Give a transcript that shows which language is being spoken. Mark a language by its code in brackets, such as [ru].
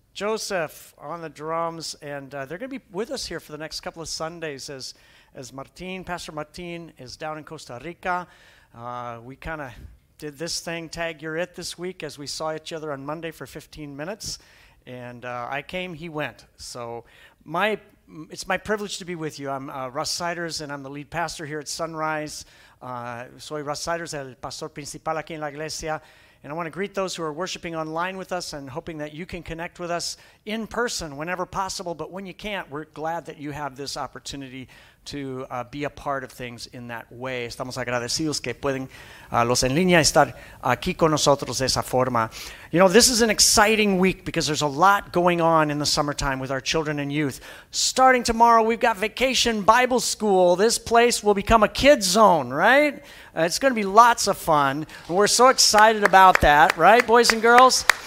[en] Joseph on the drums, and they're going to be with us here for the next couple of Sundays as Martin, Pastor Martin, is down in Costa Rica. We kind of did this thing, tag you're it, this week as we saw each other on Monday for 15 minutes, and I came, he went. So it's my privilege to be with you. I'm Russ Siders, and I'm the lead pastor here at Sunrise. [es] Soy Russ Siders, el pastor principal aquí en la iglesia. [en] And I want to greet those who are worshiping online with us and hoping that you can connect with us in person whenever possible. But when you can't, we're glad that you have this opportunity to be a part of things in that way. [es] Estamos agradecidos que pueden los en línea estar aquí con nosotros de esa forma. [en] You know, this is an exciting week because there's a lot going on in the summertime with our children and youth. Starting tomorrow, we've got Vacation Bible School. This place will become a kid zone, right? It's going to be lots of fun. We're so excited about that, right, boys and girls?